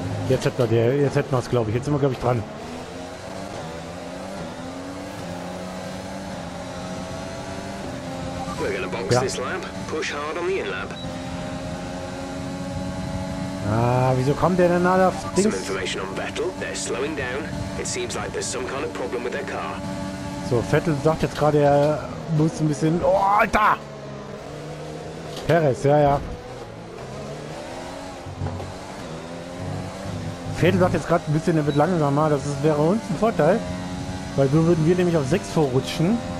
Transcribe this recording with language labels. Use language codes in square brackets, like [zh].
[de] Jetzt hätten wir es, glaube ich. Jetzt sind wir, glaube ich, dran. [en] We're gonna box this lap. Push hard on the in-lap. [de] Ah, wieso kommt der denn da auf Dings? [en] Some information on Vettel. They're slowing down. It seems like there's some kind of problem with their car. [de] So, Vettel sagt jetzt gerade, er muss ein bisschen... Oh, Alter! Perez, ja. Vettel sagt jetzt gerade ein bisschen, er wird langsamer. Das ist, wäre uns ein Vorteil. Weil so würden wir nämlich auf 6 vorrutschen.